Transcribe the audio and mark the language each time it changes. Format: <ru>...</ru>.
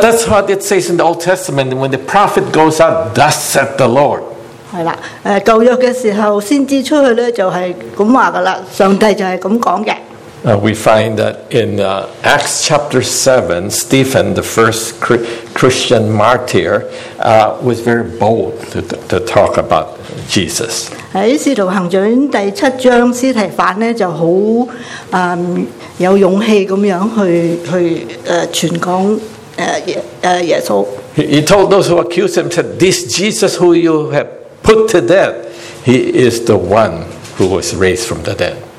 <en>that's what it says in the Old Testament, when the prophet goes out, thus saith the Lord.</en> <zh>旧约的时候先知出去就是这样说的了,上帝就是这样说的。</zh> <en>We find that in Acts chapter 7, Stephen, the first Christian martyr, was very bold to talk about Jesus.</en> <zh>在《使徒行传》第七章，斯提凡就很有勇气地去传讲耶稣。</zh> <en>He told those who accused him, said, this Jesus who you have put to death, he is the one who was raised from the dead.</en>